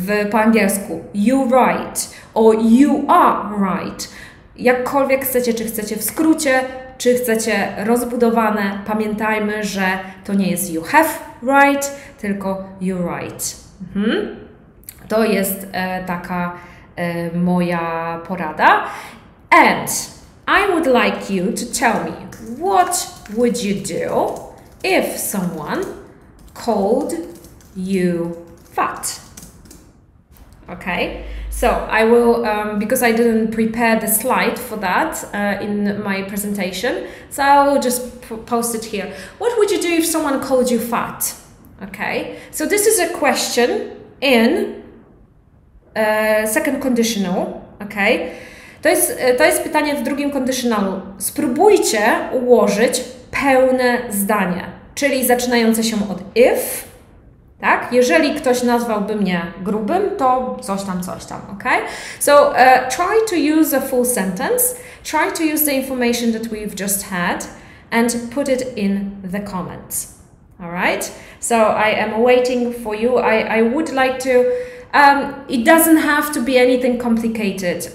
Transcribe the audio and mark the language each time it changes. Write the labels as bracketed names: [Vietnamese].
[Polish] Po angielsku, [English] you right, or you are right, [Polish] jakkolwiek chcecie, czy chcecie w skrócie, czy chcecie rozbudowane, pamiętajmy, że to nie jest [English] you have right, [Polish] tylko [English] you right. [Polish] Mhm. To jest taka moja porada. [English] And I would like you to tell me, what would you do if someone called you fat? Okay, so I will, because I didn't prepare the slide for that in my presentation, so I will just post it here. What would you do if someone called you fat? Okay, so this is a question in second conditional, okay? [Polish] To jest pytanie w drugim conditionalu. Spróbujcie ułożyć pełne zdanie, czyli zaczynające się od if, tak? Jeżeli ktoś nazwałby mnie grubym, to coś tam, okay? [English] So try to use a full sentence, try to use the information that we've just had and put it in the comments. Alright, so I am waiting for you. I would like to, it doesn't have to be anything complicated.